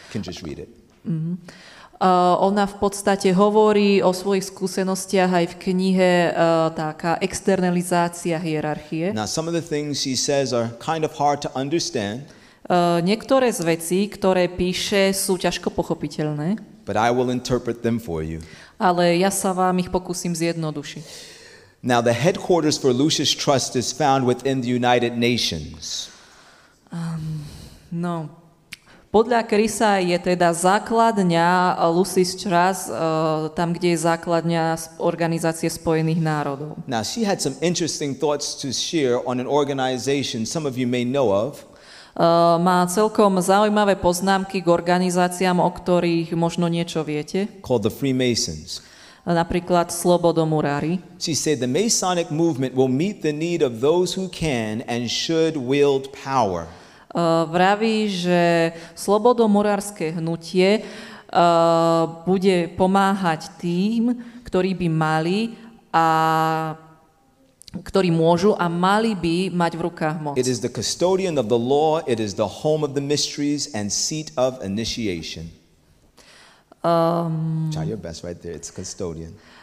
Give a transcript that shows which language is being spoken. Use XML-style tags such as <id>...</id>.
<en>You can just read it.</en> <sk>Ona v podstate hovorí o svojich skúsenostiach aj v knihe taká externalizácia hierarchie.</sk> <en>Now some of the things she says are kind of hard to understand.</en> <sk>Niektoré z vecí, ktoré píše, sú ťažko pochopiteľné.</sk> <en>But I will interpret them for you.</en> <sk>Ale ja sa vám ich pokúsim zjednodušiť.</sk> <en>Now the headquarters for Lucius Trust is found within the United Nations.</en> <sk>No. Podľa Krisa je teda základňa Lucius Trust tam, kde je základňa Organizácie spojených národov.</sk> <en>Now she had some interesting thoughts to share on an organization some of you may know of.</en> <sk>Má celkom zaujímavé poznámky k organizáciám, o ktorých možno niečo viete.</sk> <en>Called the Freemasons.</en> <sk>Napríklad Slobodomurári.</sk> <en>She said the Masonic movement will meet the need of those who can and should wield power.</en> <sk>Vraví, že slobodomurárske hnutie bude pomáhať tým, ktorí by mali a ktorí môžu a mali by mať v rukách moc.</sk> <en>It is the custodian of the law, it is the home of the mysteries and seat of initiation. Try your best right there, it's custodian.</en>